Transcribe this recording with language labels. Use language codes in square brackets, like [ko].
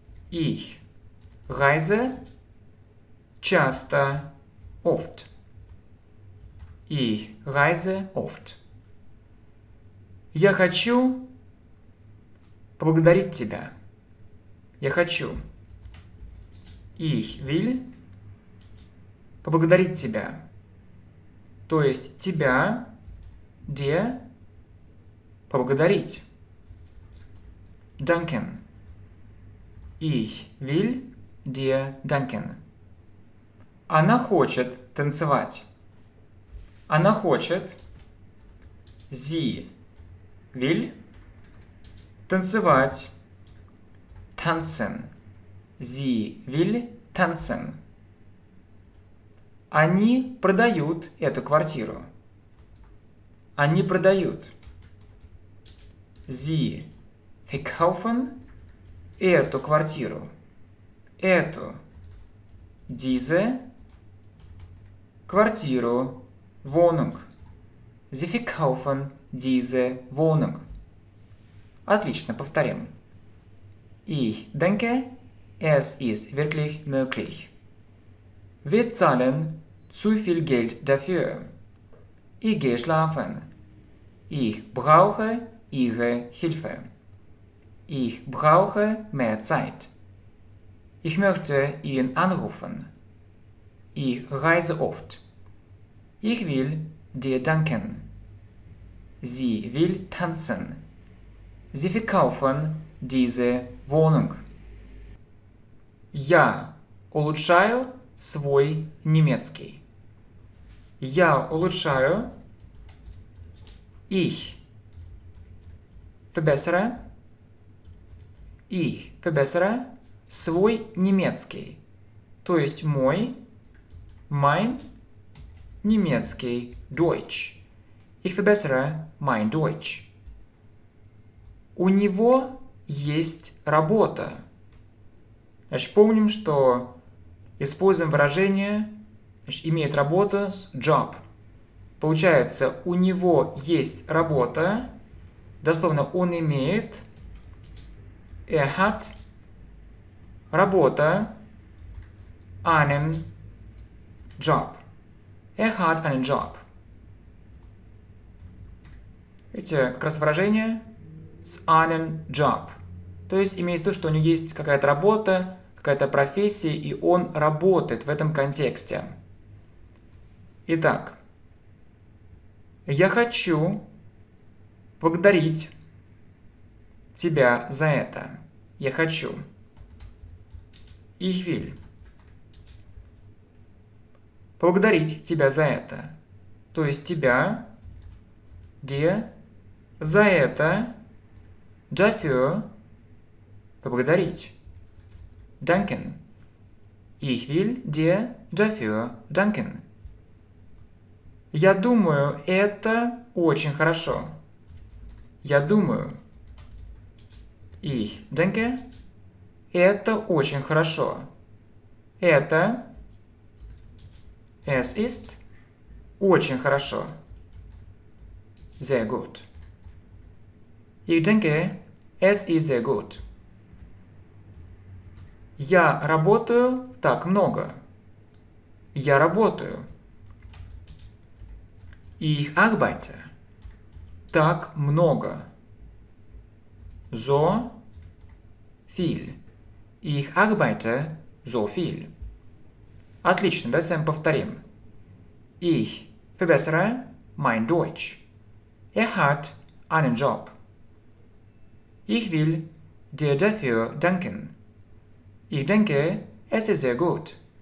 [de] Ich reise [ru] часто [de] oft. Ich reise oft. [ru] Я хочу поблагодарить тебя. Я хочу. [de] Ich will [ru] поблагодарить тебя. То есть тебя, где поблагодарить. [de] Danken. Ich will dir danken. [ru] Она хочет танцевать. Она хочет. [de] Sie will [ru] танцевать. [de] Tanzen. Sie will tanzen. [ru] Они продают эту квартиру. Они продают. [de] Sie verkaufen [ru] эту квартиру. Эту. [de] Diese [ru] квартиру. [de] Wohnung. Sie verkaufen diese Wohnung. [ru] Отлично, повторим. [de] Ich denke, es ist wirklich möglich. Wir zahlen zu viel Geld dafür. Ich gehe schlafen. Ich brauche ihre Hilfe. Ich brauche mehr Zeit. Ich möchte ihn anrufen. Ich reise oft. Ich will dir danken. Sie will tanzen. Sie verkaufen diese Wohnung. [ru] Я улучшаю свой немецкий. Я улучшаю. [de] Ich verbessere. Ich verbessere [ru] свой немецкий. То есть мой, mein немецкий, Deutsch. [de] Ich verbessere mein Deutsch. [ru] У него есть работа. Значит, помним, что используем выражение, значит, имеет работу с job. Получается, у него есть работа. Дословно, он имеет. [de] Er hat [ru] работа. [de] Einen job. Er hat einen job. [ru] Видите, как раз выражение с [de] einen job. [ru] То есть имеется в виду, что у него есть какая-то работа, какая-то профессия, и он работает в этом контексте. Итак, я хочу поблагодарить тебя за это. Я хочу. [de] Ich will. [ru] Поблагодарить тебя за это. То есть тебя. [de] Dir. [ru] За это. [de] Dafür. [ru] Поблагодарить. [de] Danken. Ich will dir dafür danken. [ru] Я думаю, это очень хорошо. Я думаю. [de] Ich denke. [ru] Это очень хорошо. Это. [de] Es ist. [ru] Очень хорошо. [de] Sehr gut. Ich denke. Es ist sehr gut. [ru] Я работаю так много. Я работаю. [de] Ich arbeite. [ru] Так много. [de] So viel. Ich arbeite so viel. [ru] Отлично, давайте сами повторим. [de] Ich verbessere mein Deutsch. Er hat einen Job. Ich will dir dafür danken. Ich denke, es ist sehr gut.